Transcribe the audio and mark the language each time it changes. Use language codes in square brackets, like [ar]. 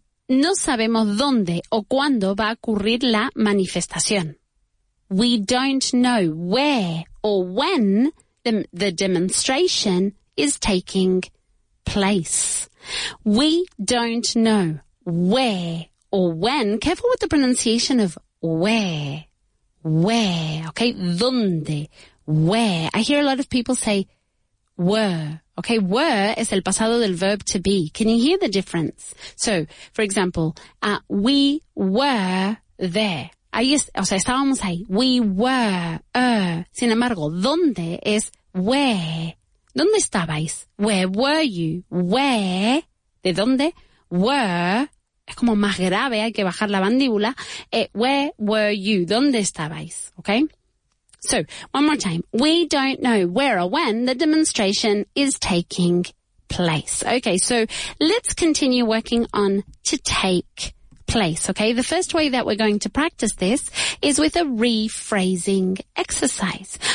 [es] No sabemos dónde o cuándo va a ocurrir la manifestación. [en] We don't know where or when the demonstration is taking place. We don't know where or when. Careful with the pronunciation of where. Where. Okay. Donde. Where. I hear a lot of people say were. Okay. Were [es] es el pasado del [en] verb to be. Can you hear the difference? So, for example, we were there. [es] Estábamos ahí. [en] We were. [es] Sin embargo, donde es where. ¿Dónde estabais? [en] Where were you? Where. [es] ¿De dónde? [en] Were. [es] Es como más grave, hay que bajar la mandíbula. [en] Where were you? [es] ¿Dónde estabais? [en] Okay? So, one more time. We don't know where or when the demonstration is taking place. Okay, so let's continue working on to take place. Okay, the first way that we're going to practice this is with a rephrasing exercise.